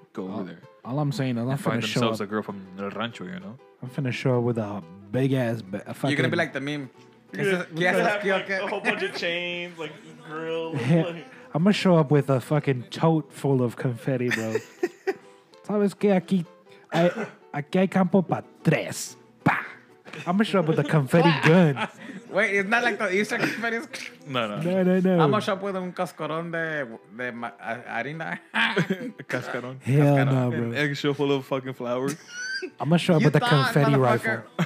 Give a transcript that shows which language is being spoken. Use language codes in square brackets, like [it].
[en] go over there. All I'm saying is I'm finna show up. A girl from El Rancho, you know? I'm finna show up with a big ass. You're gonna be like the meme. Yeah, like, okay. A whole bunch of chains, like grills. I'm going to show up with a fucking tote full of confetti, bro. [es] ¿Sabes qué? Aquí hay campo para tres. Bah! [en] I'm going to show up with a confetti gun. Wait, it's not like the Easter confetti? No. I'm going to show up with [es] un cascarón de harina. Cascarón. [en] Hell no, bro. An eggshell full of fucking flour. I'm going to show up with a confetti rifle.